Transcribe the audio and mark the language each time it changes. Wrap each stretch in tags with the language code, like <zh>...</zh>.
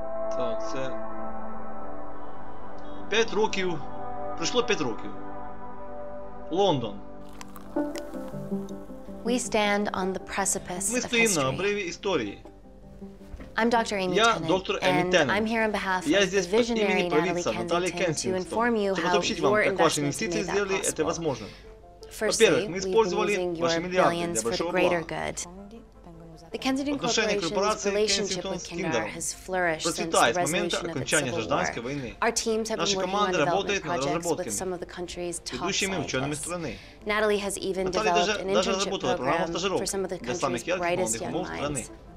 <uk>Так, це... 5 років. Пройшло 5 років. Лондон.</uk> <en>We stand on the precipice of history.</en> <uk>Ми стоїмо на обриві історії.</uk> <en>I'm Dr. Amy</en> <uk>Tennant. Я доктор Емі Теннант.</uk> <en>I'm here on behalf of the visionary Natalie Kensington to inform you how your investments made that possible.</en> <ru>Во-первых, ми использовали ваши миллиарды для большого блага.</ru> <en>The Kensington Corporation's relationship with Kinder has flourished since the resolution of the Civil War. Our teams have been working on development projects with some of the country's top scientists. Natalie has even developed an internship program for some of the country's brightest young minds.</en>